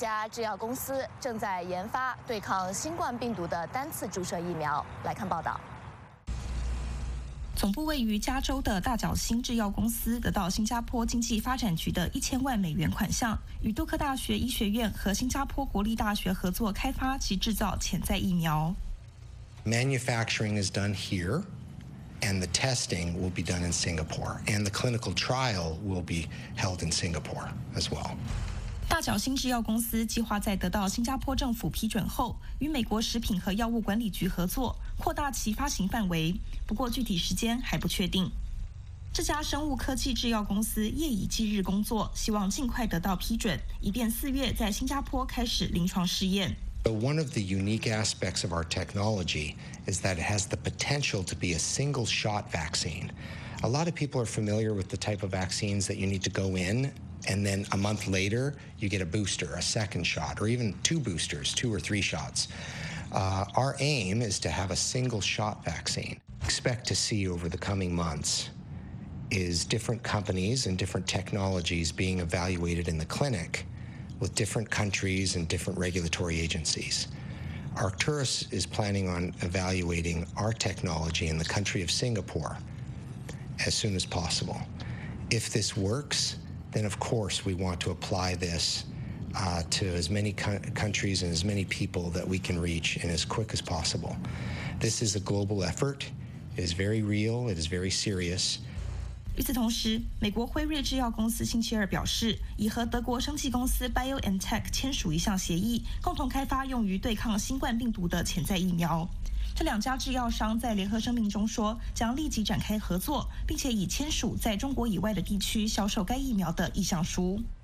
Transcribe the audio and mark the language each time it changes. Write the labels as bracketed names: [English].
[Chinese] 制药公司正在研发对抗新冠病毒的单次注射疫苗。来看报道。总部位于加州的大角星制药公司得到新加坡经济发展局的1000万美元款项，与杜克大学医学院和新加坡国立大学合作开发及制造潜在疫苗。 [English] Manufacturing is done here, and the testing will be done in Singapore, and the clinical trial will be held in Singapore as well. [Chinese] 大角星制药公司计划在得到新加坡政府批准后，与美国食品和药物管理局合作，扩大其发行范围，不过具体时间还不确定。这家生物科技制药公司夜以继日工作，希望尽快得到批准，以便四月在新加坡开始临床试验。 [English] One of the unique aspects of our technology is that it has the potential to be a single shot vaccine. A lot of people are familiar with the type of vaccines that you need to go inAnd then a month later, you get a booster, a second shot, or even two boosters, two or three shots. Our aim is to have a single shot vaccine. Expect to see over the coming months is different companies and different technologies being evaluated in the clinic with different countries and different regulatory agencies. Arcturus is planning on evaluating our technology in the country of Singapore as soon as possible. If this works,Then of course we want to apply this, to as many countries and as many people that we can reach in as quick as possible. This is a global effort. It is very real. It is very serious. [Chinese] 与此同时，美国辉瑞制药公司星期二表示，已和德国生技公司 BioNTech 签署一项协议，共同开发用于对抗新冠病毒的潜在疫苗。这两家制药商在联合声明中说，将立即展开合作，并且已签署在中国以外的地区销售该疫苗的意向书。